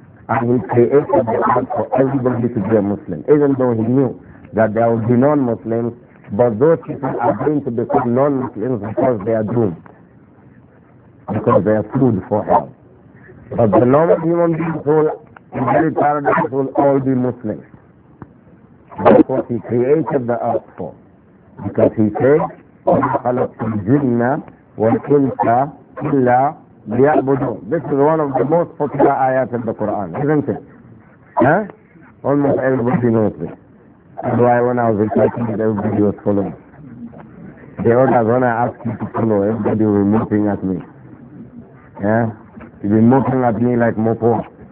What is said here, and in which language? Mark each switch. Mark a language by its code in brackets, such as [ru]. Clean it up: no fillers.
[en] And he created the earth for everybody to be a Muslim, even though he knew that there would be non-Muslims, but those people are going to become non-Muslims because they are doomed, because they are food for hell. But the normal human beings will in very paradise will all be Muslims. That's what he created the earth for. Because he said, [ar] وَمَا خَلَقْتُ الْجِنَّ وَالْإِنْسَ إِلَّا لِيَعْبُدُونَ. [en] This is one of the most popular ayat in the Quran, isn't it? Huh? Almost everybody knows this. That's why when I was reciting it, everybody was following. They all have when I ask you to follow, everybody will be moping at me. Yeah? You'll be moping at me like Mopo.